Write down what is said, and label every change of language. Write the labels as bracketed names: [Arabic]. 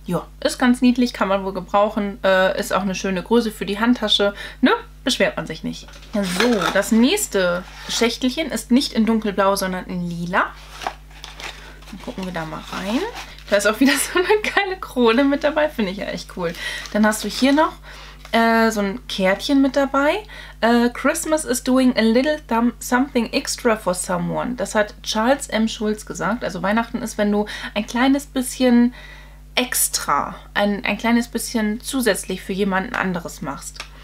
[German] Ja, ist ganz niedlich, kann man wohl gebrauchen. Ist auch eine schöne Größe für die Handtasche. Ne? Beschwert man sich nicht. So, das nächste Schächtelchen ist nicht in dunkelblau, sondern in lila. Dann gucken wir da mal rein. Da ist auch wieder so eine geile Krone mit dabei. Finde ich ja echt cool. Dann hast du hier noch so ein Kärtchen mit dabei. [English] Christmas is doing a little something extra for someone. [German] Das hat Charles M. Schulz gesagt. Also Weihnachten ist, wenn du ein kleines bisschen extra, ein kleines bisschen zusätzlich für jemanden anderes machst.